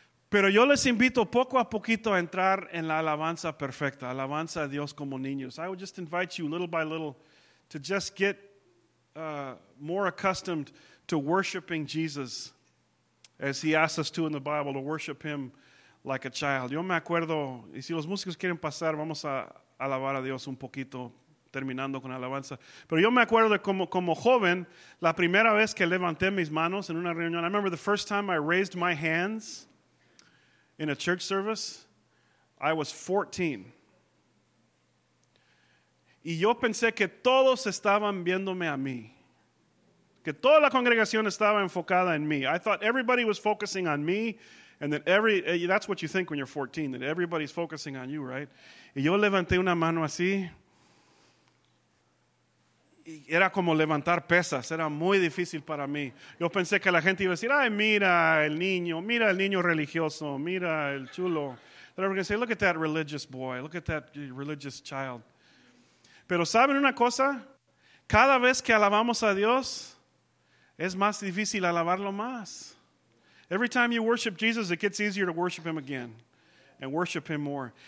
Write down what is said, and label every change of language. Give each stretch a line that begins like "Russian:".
Spanish: Pero yo les invito poco a poquito a entrar en la alabanza perfecta, alabanza a Dios como niños.
English: I would just invite you little by little to just get more accustomed to worshiping Jesus as he asks us to in the Bible, to worship him like a child.
Spanish: Yo me acuerdo, y si los músicos quieren pasar, vamos a alabar a Dios un poquito, terminando con alabanza. Pero yo me acuerdo como joven, la primera vez que levanté mis manos en una reunión,
English: I remember the first time I raised my hands in a church service, I was 14.
Spanish: Y yo pensé que todos estaban viéndome a mí. Que toda la congregación estaba enfocada en mí.
English: I thought everybody was focusing on me. And that that's what you think when you're 14, that everybody's focusing on you, right?
Spanish: Y yo levanté una mano así. Y era como levantar pesas. Era muy difícil para mí. Yo pensé que la gente iba a decir, ay, mira el niño religioso, mira el chulo.
English: They were going to say, look at that religious boy, look at that religious child.
Spanish: Pero ¿saben una cosa? Cada vez que alabamos a Dios, es más difícil alabarlo más.
English: Every time you worship Jesus, it gets easier to worship him again and worship him more.